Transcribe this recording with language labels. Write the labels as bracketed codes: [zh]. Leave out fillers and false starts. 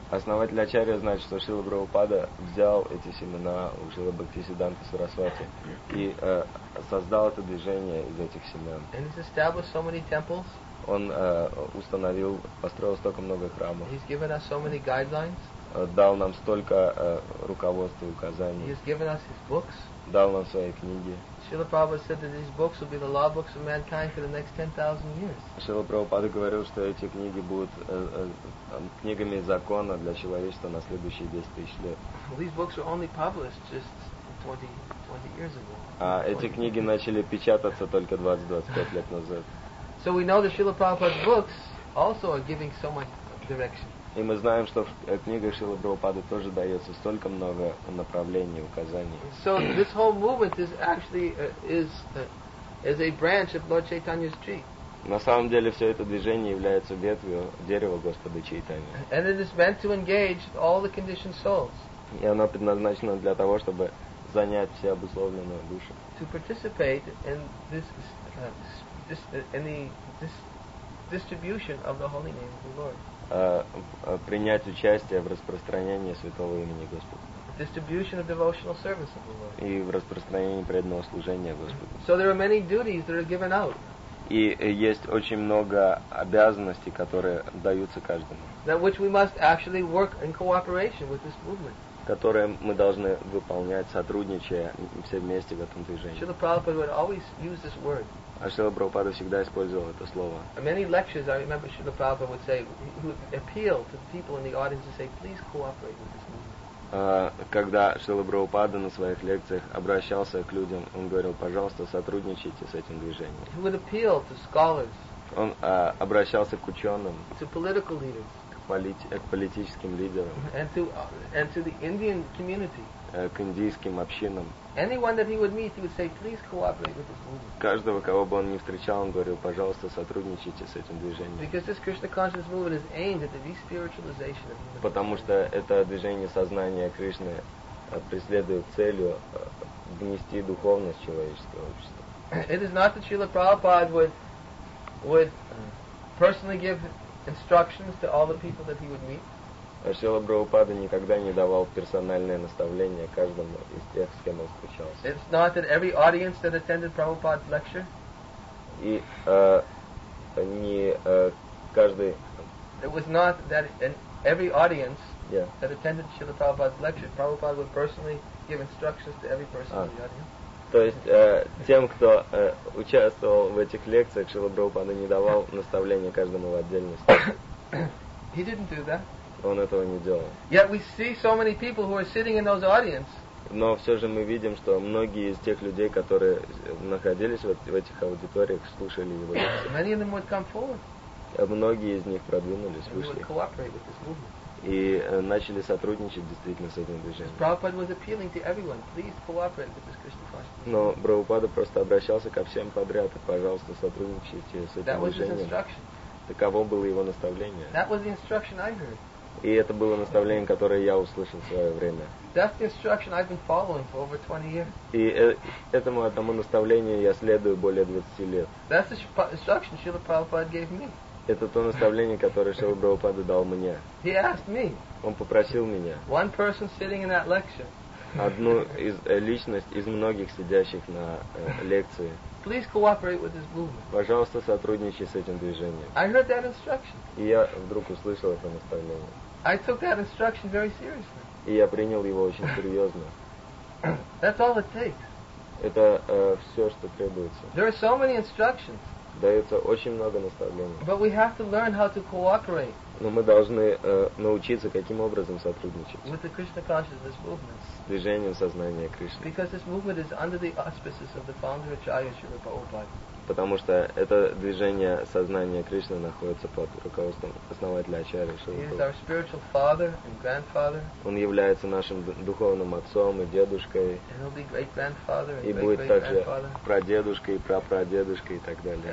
[ru] Основатель ачарьи значит, что Шрила Прабхупада взял эти семена у Шрила Бхактисиддханты Сарасвати и создал это движение из этих семен. [en] And he's established so many temples. [ru] Он установил, построил столько много храмов. [en] He's given us so many guidelines. [ru] Дал нам столько руководств и указаний. [en] He's given us his books. [ru] Дал нам свои книги. [en] Srila Prabhupada said that these books will be the law books of mankind for the next 10,000 years. [ru] Srila Prabhupada говорил, что эти книги будут книгами закона для человечества на следующие 10,000 лет. [en] Well, these books were only published just 20 years ago. [ru] Эти книги начали печататься только 20-25 лет назад. [en] So we know that Srila Prabhupada's books also are giving so much direction. [ru] И мы знаем, что в книгах Шрилы Прабхупады тоже дается столько много направлений, указаний. [en] So this whole movement is actually is a branch of Lord Chaitanya's tree. [ru] На самом деле все это движение является ветвью дерева Господа Чайтаньи. [en] And it is meant to engage all the conditioned souls. [ru] И оно предназначено для того, чтобы занять все обусловленные души. [en] To participate in this distribution of the holy name of the Lord. [ru] Принять участие в распространении святого имени Господа. [en] Distribution of devotional service of the Lord. [ru] И в распространении преданного служения Господу. [en] So there are many duties that are given out. [ru] И есть очень много обязанностей, которые даются каждому. [en] That which we must actually work in cooperation with this movement. [ru] Которые мы должны выполнять, сотрудничая все вместе в этом движении. [en] Srila Prabhupada would always use this word. [ru] А Шрила Прабхупада всегда использовал это слово. [en] Many lectures, I remember Srila Prabhupada would say, would appeal to people in the audience to say, please cooperate with this movement. [ru] Когда Шрила Прабхупада на своих лекциях обращался к людям, он говорил, пожалуйста, сотрудничайте с этим движением. [en] He would appeal to scholars. [ru] Он обращался к ученым. [en] To political leaders. [ru] К к политическим лидерам. [en] And to the Indian community. [ru] К индийским общинам. [en] Anyone that he would meet, he would say, please cooperate with this movement. [ru] Каждого, кого бы он ни встречал, он говорил, пожалуйста, сотрудничайте с этим движением. [en] Because this Krishna consciousness movement is aimed at the despiritualization of the world. [ru] Потому что это движение сознания Кришны преследует целью внести духовность в человеческое общество. [en] It is not that Srila Prabhupada would personally give instructions to all the people that he would meet. [ru] Шрила Прабхупада никогда не давал персональное наставление каждому из тех, с кем он встречался. [en] It's not that every audience that attended Prabhupada's lecture. [ru] И не каждый. [en] It was not that in every audience. Yeah. That attended Srila Prabhupada's lecture, Prabhupada would personally give instructions to every person in the audience. [ru] То есть тем, кто участвовал в этих лекциях, Шрила Прабхупада не давал наставления каждому в отдельности. [en] He didn't do that. [ru] Он этого не делал. [en] Yet we see so many people who are sitting in those audience. [ru] Но все же мы видим, что многие из тех людей, которые находились в этих аудиториях, слушали его лекции. [en] Many of them would come forward. [ru] Многие из них продвинулись, вышли. [en] They would cooperate with this movement. [ru] И начали сотрудничать действительно с этим движением. [en] Prabhupada was appealing to everyone, please cooperate with this Krishna consciousness. [ru] Но Прабхупада просто обращался ко всем подряд, пожалуйста, сотрудничайте с этим движением. [en] That was his instruction. [ru] Таково было его наставление. [en] That was the instruction I heard. [ru] И это было наставление, которое я услышал в свое время. [en] That's the instruction I've been following for over 20 years. [ru] И этому одному наставлению я следую более 20 лет. [en] That's the instruction Srila Prabhupada gave me. [ru] Это то наставление, которое Шрила Прабхупада дал мне. [en] He asked me. [ru] Он попросил меня. [en] One person sitting in that lecture. [ru] Одну из личность из многих сидящих на лекции. [en] Please cooperate with this movement. [ru] Пожалуйста, сотрудничай с этим движением. [en] I heard that instruction. [ru] И я вдруг услышал это наставление. [en] I took that instruction very seriously. [ru] И я принял его очень серьезно. [en] That's all it takes. [ru] Это все, что требуется. [en] There are so many instructions. [ru] Дается очень много наставлений. [en] But we have to learn how to cooperate. [ru] Но мы должны научиться, каким образом сотрудничать. [en] With the Krishna consciousness movement. [ru] С движением сознания Кришны. [en] Because this movement is under the auspices of the founder Acharya Srila Prabhupada. [ru] Потому что это движение сознания Кришны находится под руководством основателя Ачарьи Шрилы [en] Прабхупады. He is our spiritual father and grandfather. [ru] Он является нашим духовным отцом и дедушкой. [en] And he'll be great-grandfather and [ru] и будет также прадедушкой, прапрадедушкой и так далее.